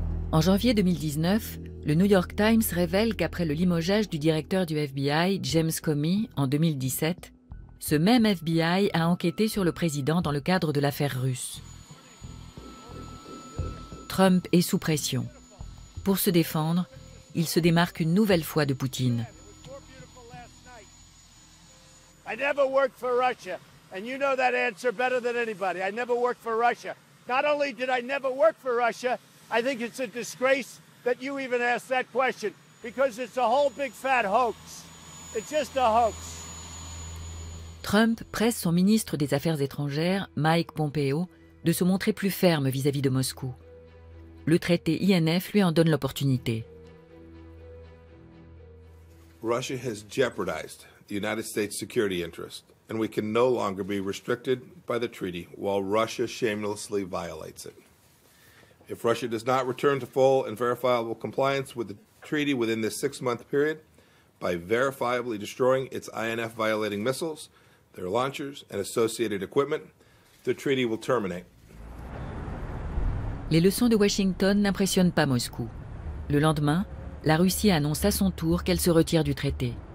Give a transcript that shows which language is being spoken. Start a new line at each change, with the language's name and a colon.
French: En janvier 2019, le New York Times révèle qu'après le limogeage du directeur du FBI, James Comey, en 2017, ce même FBI a enquêté sur le président dans le cadre de l'affaire russe. Trump est sous pression. Pour se défendre, il se démarque une nouvelle fois de Poutine.
English: I never worked for Russia, and you know that answer better than anybody. I never worked for Russia. Not only did I never work for Russia, I think it's a disgrace that you even asked that question, because it's a whole big fat hoax. It's just a hoax.
French: Trump presse son ministre des Affaires étrangères, Mike Pompeo, de se montrer plus ferme vis-à-vis de Moscou. Le traité INF lui en donne l'opportunité.
English: Russia has jeopardized the United States security interest, and we can no longer be restricted by the treaty while Russia shamelessly violates it. If Russia does not return to full and verifiable compliance with the treaty within this six-month period by verifiably destroying its INF-violating missiles, their launchers and associated equipment, the treaty will terminate.
French: Les leçons de Washington n'impressionnent pas Moscou. Le lendemain, la Russie annonce à son tour qu'elle se retire du traité.